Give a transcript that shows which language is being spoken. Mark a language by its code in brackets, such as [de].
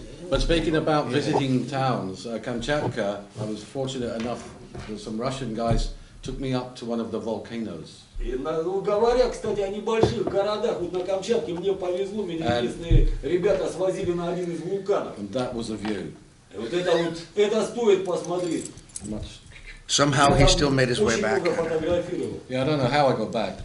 [en] But speaking about visiting towns, Kamchatka, I was fortunate enough that some Russian guys took me up to one of the volcanoes. [ru] Говоря, кстати, о небольших городах, вот на Камчатке мне повезло, меня местные ребята свозили на один из вулканов. [en] And that was a view. [ru] Вот это вот, это стоит посмотреть. [en] Somehow he still made his way back. Yeah, I don't know how I got back.